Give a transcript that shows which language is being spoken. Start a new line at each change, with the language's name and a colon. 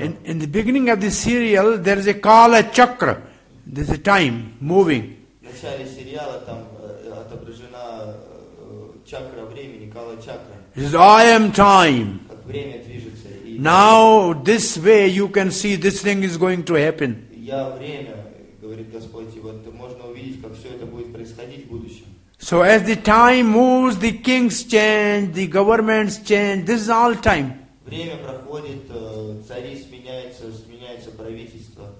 English: In the beginning of the serial there is a Kala Chakra. There is a time moving. I am time. Now this way you can see this thing is going to happen.
Russian: Я время, говорит Господь, вот можно увидеть, как все это будет происходить в будущем.
English: So as the time moves, the kings change, the governments change. This is all time.
Russian: Время проходит, цари сменяются, сменяется правительство.